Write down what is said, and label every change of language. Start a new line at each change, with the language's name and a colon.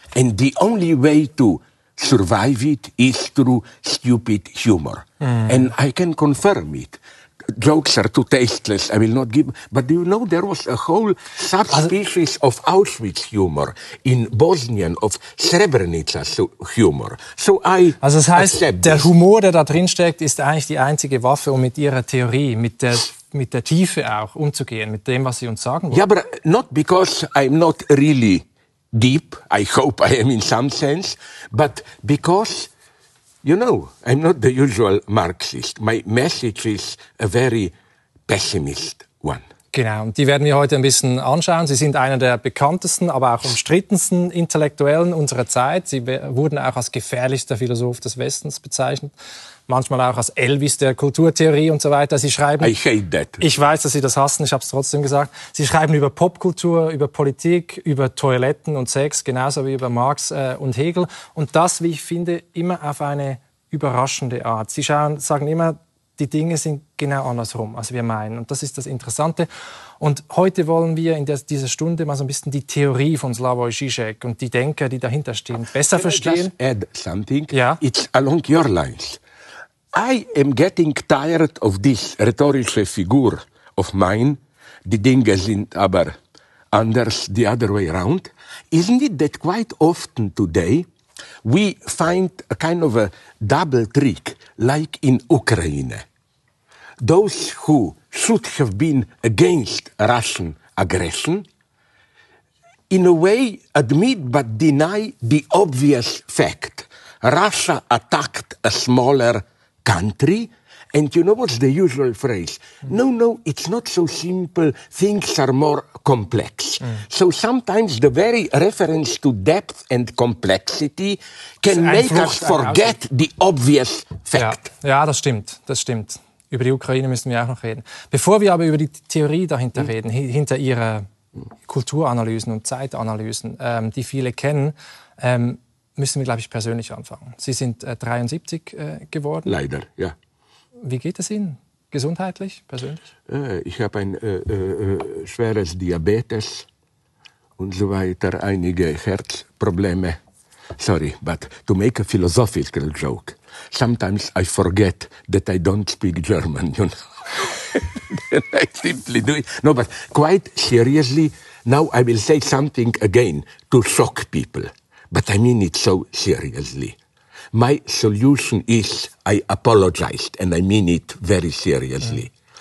English: And the only way to survive it is through stupid humor. And I can confirm it. Jokes are too tasteless, I will not give. But do you know there was a whole subspecies of Auschwitz humor in Bosnian, of Srebrenica humor. So I
German: also das heißt, accept der this. Humor, der da drin steckt, ist eigentlich die einzige Waffe, um mit Ihrer Theorie, mit der Tiefe auch umzugehen, mit dem, was Sie uns sagen wollen. Ja, aber
English: not because I'm not really deep, I hope I am in some sense, but because... You know, I'm not the usual Marxist. My message is a very pessimist one.
German: Genau, und die werden wir heute ein bisschen anschauen. Sie sind einer der bekanntesten, aber auch umstrittensten Intellektuellen unserer Zeit. Sie wurden auch als gefährlichster Philosoph des Westens bezeichnet. Manchmal auch als Elvis der Kulturtheorie und so weiter. Sie schreiben,
English: I hate that.
German: Ich weiß, dass Sie das hassen, ich habe es trotzdem gesagt. Sie schreiben über Popkultur, über Politik, über Toiletten und Sex, genauso wie über Marx und Hegel. Und das, wie ich finde, immer auf eine überraschende Art. Sie schauen, sagen immer, die Dinge sind genau andersrum, als wir meinen. Und das ist das Interessante. Und heute wollen wir in dieser Stunde mal so ein bisschen die Theorie von Slavoj Žižek und die Denker, die dahinter stehen, besser verstehen.
English: Can I just add something?
German: Ja?
English: It's along your lines. I am getting tired of this
German: rhetorische Figur
English: of mine.
German: Die Dinge sind aber anders,
English: the other way around. Isn't it that quite often today we find a kind of a double trick, like in Ukraine? Those who should have been against Russian aggression, in a way admit but deny the obvious fact. Russia attacked a smaller country, and you know what's the usual phrase? No, no, it's not so simple. Things are more complex. So sometimes the very reference to depth and complexity can make us forget the obvious fact.
German: Ja, das stimmt, das stimmt. Über die Ukraine müssen wir auch noch reden. Bevor wir aber über die Theorie dahinter reden, hinter Ihrer Kulturanalysen und Zeitanalysen, die viele kennen, müssen wir, glaube ich, persönlich anfangen. Sie sind 73 geworden. Leider, ja. Wie geht es Ihnen gesundheitlich, persönlich? Ich habe ein schweres Diabetes und so weiter, einige Herzprobleme.
English: Sorry, but to make a philosophical joke, sometimes I forget that I don't speak German, you know. I simply do it. No, but quite seriously, now I will say something again to shock people. But I mean it so seriously. My solution is, I apologized, and I mean it very seriously.